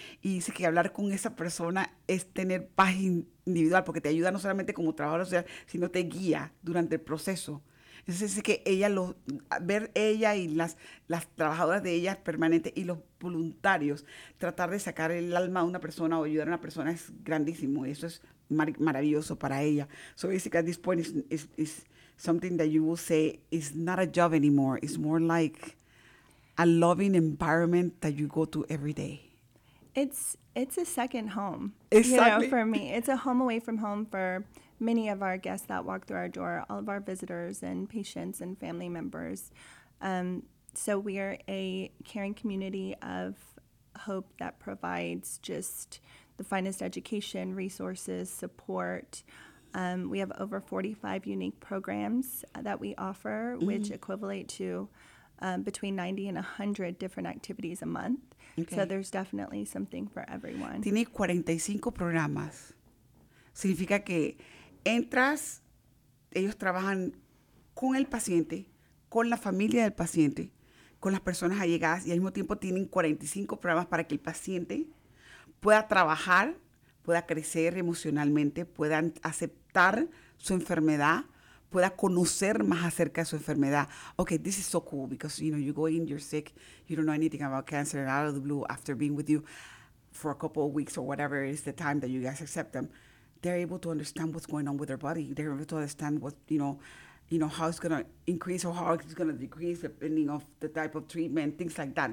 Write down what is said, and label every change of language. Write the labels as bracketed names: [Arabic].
[Spanish] Y dice que hablar con esa persona es tener paz individual, porque te ayuda no solamente como trabajadora social, sino te guía durante el proceso. Entonces dice que ver ella y las trabajadoras de ella permanentes y los voluntarios, tratar de sacar el alma de una persona o ayudar a una persona es grandísimo. Eso es maravilloso para ella. [English] So [Spanish] dice que [English] at this point is something that you will say is not a job anymore. It's more like a loving environment that you go to every day. It's a second home. Exactly. You know, for me. It's a home away from home for many of our guests that walk through our door, all of our visitors and patients and family members. So we are a caring community of hope that provides just the finest education, resources, support. We have over 45 unique programs that we offer, which equivalate to between 90 and 100 different activities a month. Okay. So there's definitely something for everyone. [Spanish] Tiene 45 programas. Significa que entras, ellos trabajan con el paciente, con la familia del paciente, con las personas allegadas, y al mismo tiempo tienen 45 programas para que el paciente pueda trabajar, pueda crecer emocionalmente, pueda aceptar su enfermedad, pueda conocer más acerca de su enfermedad. [English] Okay, this is so cool because, you know, you go in, you're sick, you don't know anything about cancer, and out of the blue, after being with you for a couple of weeks or whatever is the time that you guys accept them, they're able to understand what's going on with their body. They're able to understand what, you know, how it's going to increase or how it's going to decrease depending of the type of treatment, things like that.